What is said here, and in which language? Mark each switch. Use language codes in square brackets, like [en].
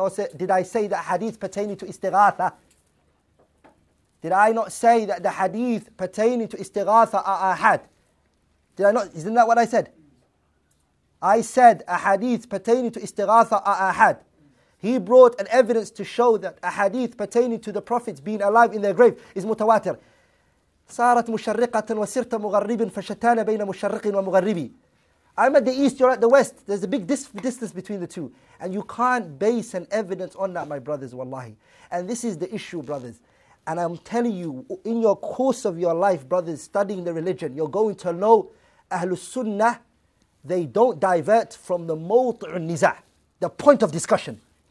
[en] Or did I say that hadith pertaining to istighatha? Did I not say that the hadith pertaining to istighatha are ahad? Did I not? Isn't that what I said? I said a hadith pertaining to istighatha are ahad. He brought an evidence to show that a hadith pertaining to the prophets being alive in their grave is mutawatir. [ar] صارت مشرقة وسرت مغرب فشتان بين مشرق ومغربي. [en] I'm at the east, you're at the west. There's a big distance between the two. And you can't base an evidence on that, my brothers, wallahi. And this is the issue, brothers. And I'm telling you, in your course of your life, brothers, studying the religion, you're going to know Ahlul Sunnah, they don't divert from the mawt'u niza', the point of discussion.